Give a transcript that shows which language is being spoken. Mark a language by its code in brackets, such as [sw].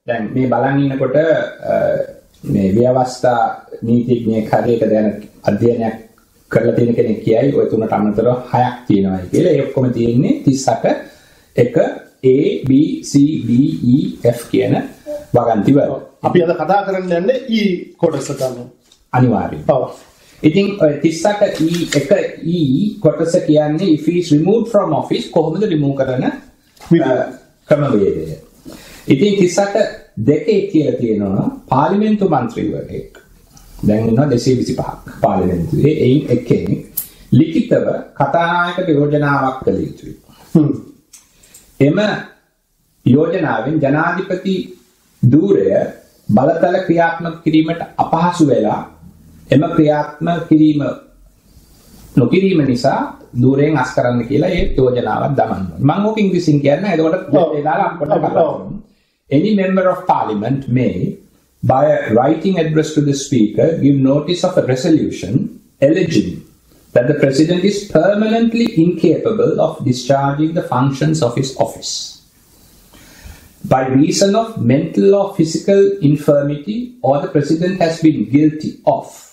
[si] දැන් මේ බලන් ඉන්නකොට මේ ව්‍යවස්ථා නීතිඥය කඩේක දැන අධ්‍යයනයක් කරලා තියෙන කෙනෙක් කියයි ওই තුනට අමතරව හයක් තියෙනවා කියලා. ඒ ඔක්කොම තියෙන්නේ 38 එක A B C D E F කියන වගන්ති වල. අපි අද කතා කරන්න යන්නේ E කොටස ගන්න. අනිවාර්යයෙන්. ඔව්. ඉතින් 38 E එක E කොටස කියන්නේ [en] if he is removed from office [si] කොහොමද remove කරන ක්‍රමවේදය. ඉතින් 38 දෙකේ කියලා තියෙනවා පාර්ලිමේන්තු මන්ත්‍රීවරයෙක්. දැන් වෙනවා 225ක් පාර්ලිමේන්තුවේ එයින් එකෙන් ලිඛිතව කතානායක යෝජනාවක් කළ යුතුයි. එම යෝජනාවෙන් ජනාධිපති ධූරය බලතල ක්‍රියාත්මක කිරීමට අපහසු වෙලා එම ක්‍රියාත්මක කිරීම නොකිරීම නිසා දුරෙන් අස් කරන්න කියලා ඒ යෝජනාවක් දමනවා. මම ඕක ඉංග්‍රීසියෙන් කියන්නේ. එතකොට ඒ දාලා අපිට කරන්න. [en] Any member of parliament may, by a writing address to the speaker, give notice of a resolution alleging that the president is permanently incapable of discharging the functions of his office by reason of mental or physical infirmity, or the president has been guilty of